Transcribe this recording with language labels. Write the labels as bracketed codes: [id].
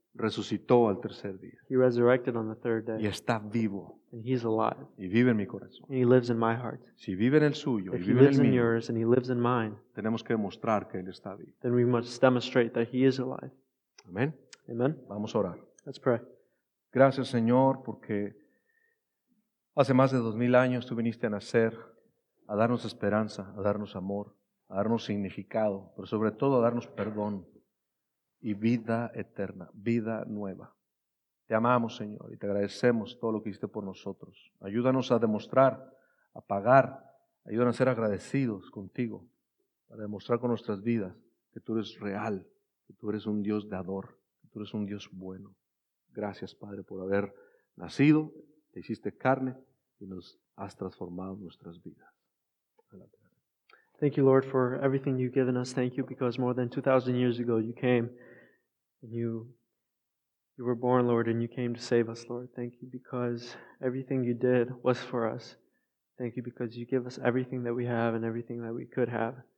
[es] Resucitó al tercer día. [en] He resurrected on the third day. [es] Y está vivo. [en] And he's alive. [es] Y vive en mi corazón. [en] And he lives in my heart. [es] Si vive en el suyo, [en] if [es] y vive [en] he lives [es] en el [en] in [es] mío, [en] yours and he lives in mine, [es] tenemos que demostrar que él está vivo. [en] Then we must demonstrate that he is alive. [es] Amen. [en] Amen. [es] Vamos a orar. [en] Let's pray. [es] Gracias, Señor, porque hace más de 2,000 años tú viniste a nacer, a darnos esperanza, a darnos amor, a darnos significado, pero sobre todo a darnos perdón. Y vida eterna, vida nueva. Te amamos, Señor, y te agradecemos todo lo que hiciste por nosotros. Ayúdanos a demostrar, a pagar, ayúdanos a ser agradecidos contigo, para demostrar con nuestras vidas que tú eres real, que tú eres un Dios dador, que tú eres un Dios bueno. Gracias, Padre, por haber nacido, te hiciste carne y nos has transformado nuestras vidas. Adelante. [en] Thank you, Lord, for everything you've given us. Thank you because more than 2,000 years ago, you came and you were born, Lord, and you came to save us, Lord. Thank you because everything you did was for us. Thank you because you give us everything that we have and everything that we could have.